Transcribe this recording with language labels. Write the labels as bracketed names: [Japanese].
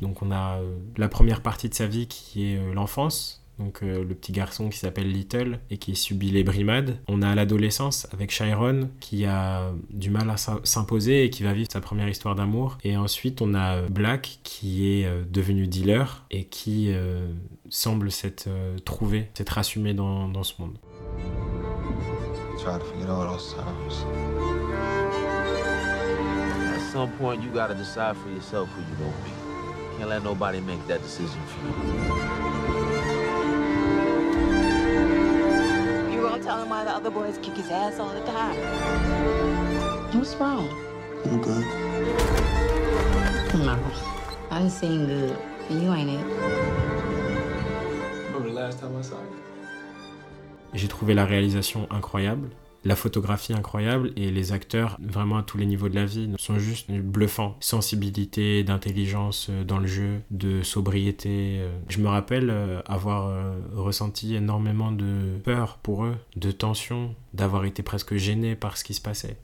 [French] Donc on a la première partie de sa vie qui est l'enfance, donc le petit garçon qui s'appelle Little et qui subit les brimades. On a l'adolescence avec Chiron qui a du mal à s'imposer et qui va vivre sa première histoire d'amour. Et ensuite, on a Black qui est devenu dealer et qui semble s'être trouvé, s'être assumé dans ce monde. [English] Try to figure out all sounds. At some point, you gotta decide for yourself who you gonna be. Can't let nobody make that decision for you. You gonna tell him why the other boys kick his ass all the time? What's wrong? I'm good. Come on. I didn't seem good, and you ain't it. Remember the last time I saw you? [French] J'ai trouvé la réalisation incroyable. La photographie incroyable et les acteurs, vraiment à tous les niveaux de la vie, sont juste bluffants. Sensibilité, d'intelligence dans le jeu, de sobriété. Je me rappelle avoir ressenti énormément de peur pour eux, de tension, d'avoir été presque gêné par ce qui se passait.